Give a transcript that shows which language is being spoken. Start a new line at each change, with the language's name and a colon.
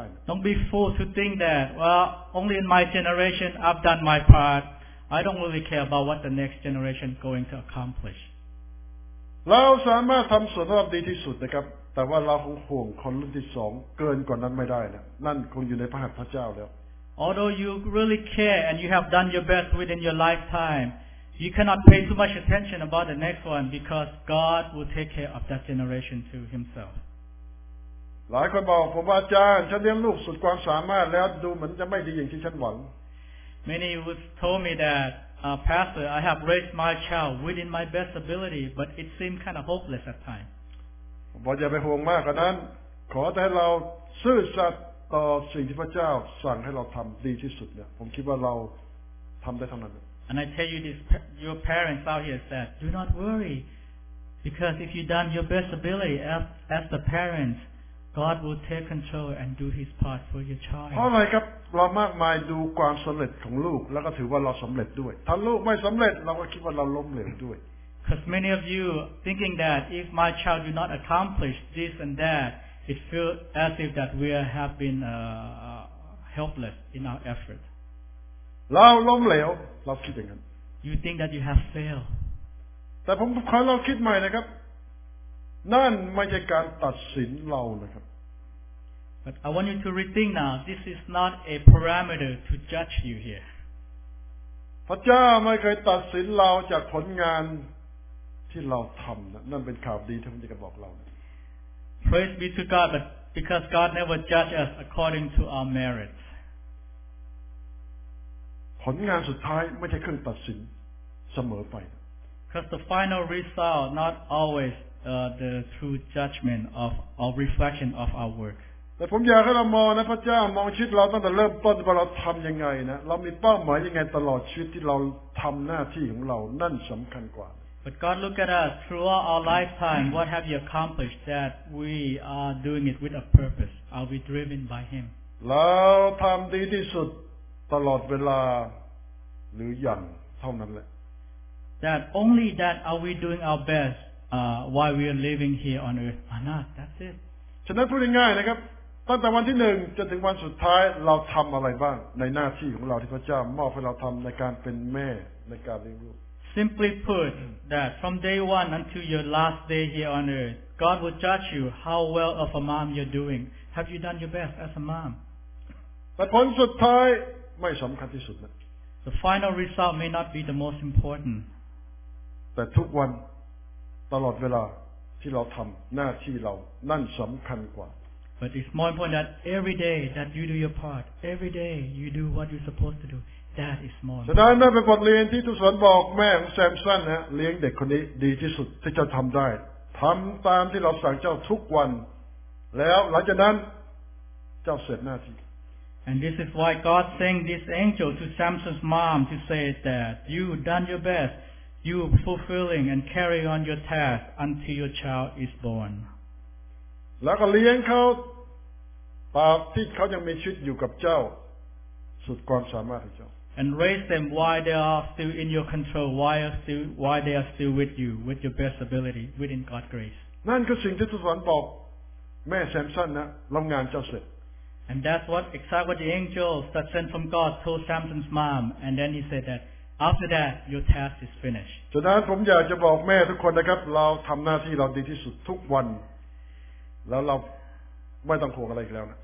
English: Don't be fooled to think that well only in my generation I've done my partI don't really care about what the next generation going to accomplish.
Thai: เราสามารถทำส่วนที่ดีที่สุดนะครับแต่ว่าเราคงห่วงคนรุ่นที่สองเกินกว่านั้นไม่ได้นะนั่นคงอยู่ในพระหัตถ์พระเจ้าแล้ว
English: Although you really care and you have done your best within your lifetime, you cannot pay too much attention about the next one because God will take care of that generation to Himself.
Thai: หลายคนบอกผมว่าอาจารย์ฉันเลี้ยงลูกสุดความสามารถแล้วดูเหมือนจะไม่ดีอย่างที่ฉันหวัง
English: Many would told me that, Pastor, I have raised my child within my best ability, but it seemed kind of hopeless at times.
Thai: บอกอย่าไปห่วงมากกว่านั้นขอแต่ให้เราซื่อสัตย์ต่อสิ่งที่พระเจ้าสั่งให้เราทำดีที่สุดเนี่ยผมคิดว่าเราทำได้เท่านั้น
English: And I tell you this, your parents out here said, do not worry, because if you've done your best ability as the parents, God will take control and do His part for your child.
Thai: เพราะอะไรครับเรามากมายดูความสำเร็จของลูกแล้วก็ถือว่าเราสำเร็จด้วยถ้าลูกไม่สำเร็จเราก็คิดว่าเราล้มเหลวด้วย
English: Because many of you thinking that if my child do not accomplish this and that, it feels as if that we have been helpless in our effort.
Thai: เราล้มเหลวเราคิดอย่างนั้น
English: You think that you have failed.
Thai: แต่ผมขอเราคิดใหม่นะครับนั่นไม่ใช่การตัดสินเรานะครับ
English: But I want you to rethink now. This is not a parameter to judge you here.
Thai: พระเจ้าไม่เคยตัดสินเราจากผลงานที่เราทำนั่นเป็นข่าวดีที่พระเจ้าบอกเรา
English: Praise be to God, but because God never judges us according to our merits.
Thai: ผลงานสุดท้ายไม่ใช่เครื่องตัดสินเสมอไป
English: Because the final result not always the true judgment of our reflection of our work.
Thai: แต่ผมอยากให้เรามองนะพระเจ้ามองชีวิตเราตั้งแต่เริ่มต้นว่าเราทำยังไงนะเรามีเป้าหมายยังไงตลอดชีวิตที่เราทำหน้าที่ของเรานั่นสำคัญกว่า
English: But God look at us throughout our lifetime. What have you accomplished that we are doing it with a purpose? Are we driven by Him?
Thai: เราทำดีที่สุดตลอดเวลาหรืออย่างเท่านั้นแหละ
English: That only that are we doing our best while we are living here on earth or not? That's it.
Thai: ฉะนั้นพูดง่ายๆนะครับตั้งแต่วันที่หนึ่งจนถึงวันสุดท้ายเราทำอะไรบ้างในหน้าที่ของเราที่พระเจ้ามอบให้เราทำในการเป็นแม่ในการเลี้ยงลูก
English: Simply put, that from day one until your last day here on earth, God will judge you how well of a mom you're doing. Have you done your best as a mom?
Thai: แต่ผลสุดท้ายไม่สำคัญที่สุดนะ
English: The final result may not be the most important.
Thai: แต่ทุกวันตลอดเวลาที่เราทำหน้าที่เรานั่นสำคัญกว่า
English: But it's more important that every day that you do your part, every day you do what you're supposed to do, that is more important.
Thai: ฉะนั้นนั่นเป็นบทเรียนที่ทุกสอนบอกแม่ของแซมสันนะเลี้ยงเด็กคนนี้ดีที่สุดที่เจ้าทำได้ทำตามที่เราสั่งเจ้าทุกวันแล้วหลังจากนั้นเจ้าเสร็จหน้าที่
English: And this is why God sent this angel to Samson's mom to say that you done your bestYou fulfilling and carry on your task until your child is born.
Thai: แล้วก็เลี้ยงเขาตราบที่เขายังมีชีวิตอยู่กับเจ้าสุดความสามารถของเจ้า
English: And raise them while they are still in your control, while they are still with you, with your best ability, within God's grace.
Thai: นั่นคือสิ่งที่ทูตสวรรค์บอกแม่แซมสันนะรับงานเจ้าเสร็จ
English: And that's what exactly the angels that sent from God told Samson's mom, and then he said that. After that, your task is finished.
Thai: ฉะนั้นผมอยากจะบอกแม่ทุกคนนะครับเราทำหน้าที่เราดีที่สุดทุกวันแล้วเราไม่ต้องห่วงอะไรอีกแล้วนะ